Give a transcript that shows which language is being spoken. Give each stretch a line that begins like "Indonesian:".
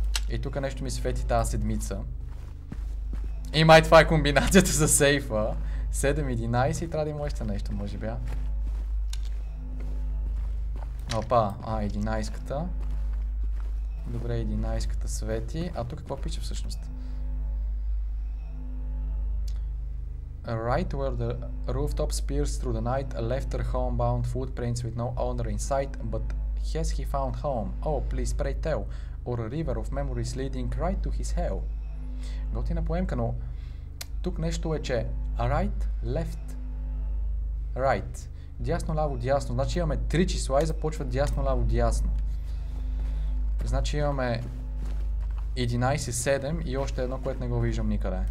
Bulgarian: И тук нещо ми свети тази седмица. И май това е комбинацията за сейфа. 7-11 и трябва да има още нещо, може би. Опа, 11-ката. Добре, 11-ката свети. А тук какво пише всъщност?
English: Right where the rooftop spears through the night, left her homebound footprints with no owner in sight, but has he found home? Oh, please pray tell, or a river of memories leading right to his hell.
Bulgarian: Готина поемка, но тук нещо е, че
English: right, left, right,
Bulgarian: дясно, ляво, дясно. Значи имаме три числа и започват дясно, ляво, дясно. Значи имаме 11-7 и още едно, което не го виждам никъде.